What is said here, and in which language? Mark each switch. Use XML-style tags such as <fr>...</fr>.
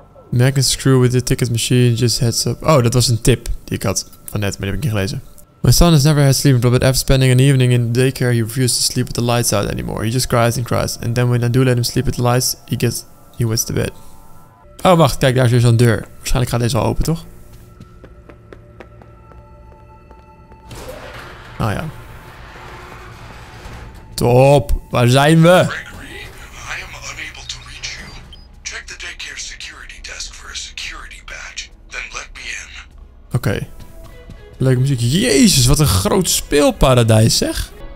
<en>Magnet screw with the ticket machine, just heads up.</en> <nl>Oh, dat was een tip die ik had van net, maar die heb ik niet gelezen.</nl> <en>My son has never had sleeping trouble, but after spending an evening in daycare, he refuses to sleep with the lights out anymore. He just cries and cries. And then when I do let him sleep with the lights, he wakes to bed.</en> <nl>Oh, wacht, kijk, daar is weer zo'n deur. Waarschijnlijk gaat deze al open, toch? Oh ja. Top, waar zijn we?</nl> <en>Gregory, I am unable to reach you. Check the daycare security desk for a security badge, then let me in.</en> <nl>Oké. Leuke muziek. Jezus, wat een groot speelparadijs, zeg.</nl>